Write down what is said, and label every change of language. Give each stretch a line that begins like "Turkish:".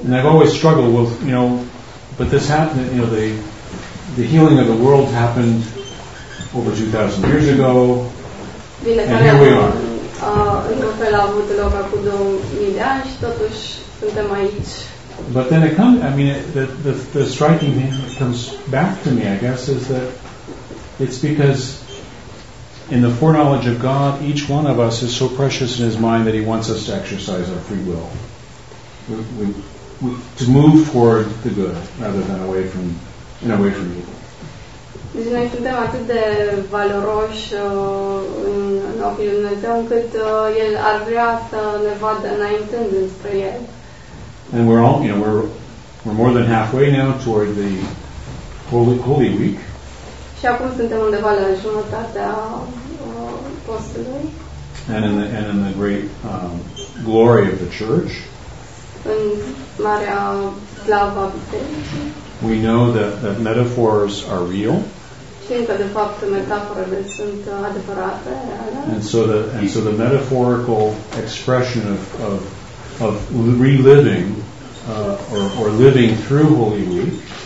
English: And I've always struggled with, you know, but this happened, you know, the healing of the world happened over 2,000 years ago.
Romanian: Vindecarea
English: and here we are.
Romanian: Într-un fel a avut loc acum 2000 de ani și totuși suntem aici.
English: But then it comes, I mean, the striking thing that comes back to me, I guess, is that it's because in the foreknowledge of God, each one of us is so precious in His mind that He wants us to exercise our free will. To move toward the good rather than away from evil.
Romanian: Deci noi suntem atât de valoroși în ochii lui Dumnezeu încât El ar vrea să ne vadă înaintând înspre El.
English: And we're all, you know, we're more than halfway now toward the Holy Week.
Romanian: Și acum suntem undeva la jumătatea postului.
English: And in the great glory of the Church.
Romanian: În marea slavă a Bisericii.
English: We know that metaphors are real.
Romanian: Că, de fapt, metaforele sunt adevărate, reale.
English: And so the metaphorical expression of reliving or living through Holy Week.